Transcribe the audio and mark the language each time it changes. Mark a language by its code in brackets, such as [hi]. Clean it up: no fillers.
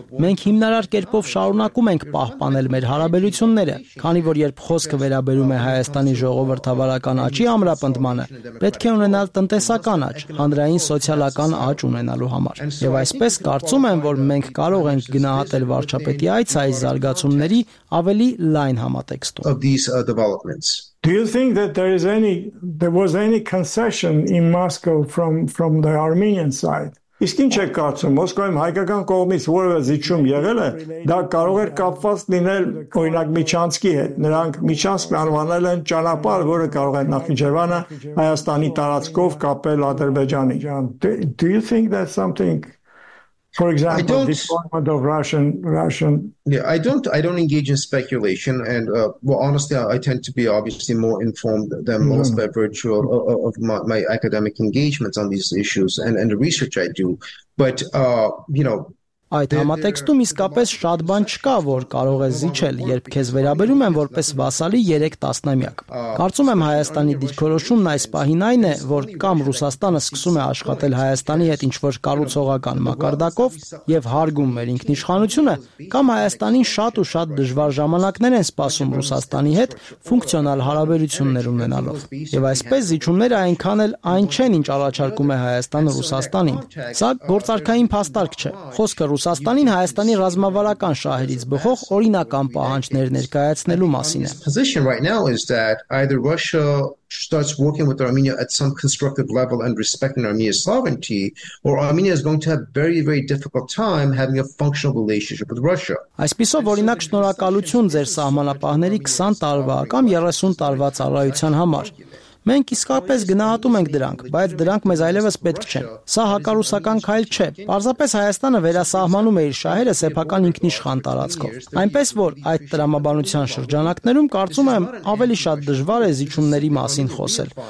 [hy] մենք հիմնարար կերպով շարունակում ենք պահպանել մեր հարաբերությունները, քանի որ երբ խոսքը վերաբերում է Հայաստանի ժողովրդավարական աճի ամրապնդմանը, պետք է ունենալ տնտեսական աճ, հանրային սոցիալական աճ ունենալու համար։ Եվ այսպես կարծում եմ, որ մենք կարող ենք գնահատել վարչապետի այս զարգացումների ավելի լայն համատեքստում։ [en] Do you think that there was any concession in Moscow from the Armenian side? [hy] Իսկ ինչ եք կարծում, Մոսկվայում հայկական կողմից որևէ զիջում եղել է, դա կարող էր կապված լինել օրինակ Միջանցկի հետ, նրանք Միջանցկ անվանել են ճանապարհ, որը կարող է Նախիջևանը Հայաստանի տարածքով կապել Ադրբեջանի։ [en] Do you think that something, for example, deployment of Russian I don't engage in speculation, and well, honestly, I tend to be obviously more informed than most by virtue of my academic engagements on these issues and the research I do, but you know, [hy] այդ համատեքստում իսկապես շատ բան չկա, որ կարող է զիջել, երբ քեզ վերաբերում են որպես վասալի 3 տասնամյակ։ Կարծում եմ Հայաստանի դիրքորոշումն այս պահին այն է, որ կամ Ռուսաստանը սկսում է աշխատել Հայաստանի հետ ինչ-որ կառուցողական մակարդակով եւ հարգում մեր ինքնիշխանությունը, կամ Հայաստանին շատ ու շատ դժվար ժամանակներ են սպասում Ռուսաստանի հետ ֆունկցիոնալ հարաբերություններ ունենալով։ Եվ այսպես զիջումները այնքան էլ այն չեն, ինչ առաջարկում է Հայաստանը Ռուսաստանին։ Սա գործարքային փաստարկ չէ։ Խոսքը Ռուսաստանին Հայաստանի ռազմավարական շահերից բխող օրինական պահանջներ ներկայացնելու մասին է։ [en] Position right now is that either Russia starts working with Armenia at some constructive level and respecting Armenia's sovereignty, or Armenia is going to have very, very difficult time having a functional relationship with Russia. [hy] Այսպիսով, օրինակ, շնորհակալություն ձեր սահմանապահների 20 տարվա կամ 30 տարվա ծառայության համար։ Մենք իսկապես գնահատում ենք դրանք, բայց դրանք մեզ այլևս պետք չեն։ Սա հակառուսական քայլ չէ։ Պարզապես Հայաստանը վերասահմանում է իր շահերը սեփական ինքնիշխան տարածքով։ Այնպես որ այդ տրամաբանության շրջանակներում կարծում եմ ավելի շատ դժվար է զիջումների մասին խոսել,